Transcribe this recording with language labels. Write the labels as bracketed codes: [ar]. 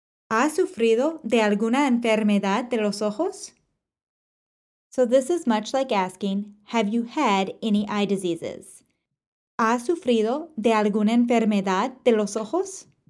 [es] ¿Ha sufrido de alguna enfermedad de los ojos? [en] So this is much like asking, have you had any eye diseases? [es] ¿Ha sufrido de alguna enfermedad de los ojos?